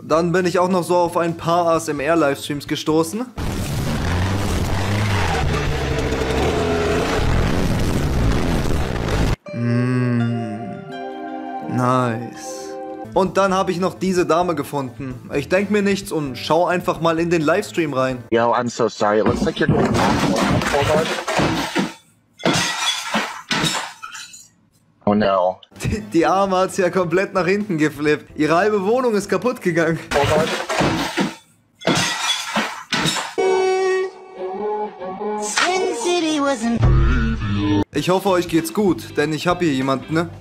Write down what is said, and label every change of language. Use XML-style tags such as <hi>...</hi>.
<de>Dann bin ich auch noch so auf ein paar ASMR-Livestreams gestoßen. Nice. Und dann habe ich noch diese Dame gefunden. Ich denke mir nichts und schau einfach mal in den Livestream rein.</de> <en>Yo, I'm so sorry. It looks like you're going back. Oh no.</en> <de>Die Arme hat sie ja komplett nach hinten geflippt. Ihre halbe Wohnung ist kaputt gegangen. Ich hoffe, euch geht's gut, denn ich habe hier jemanden, ne?</de>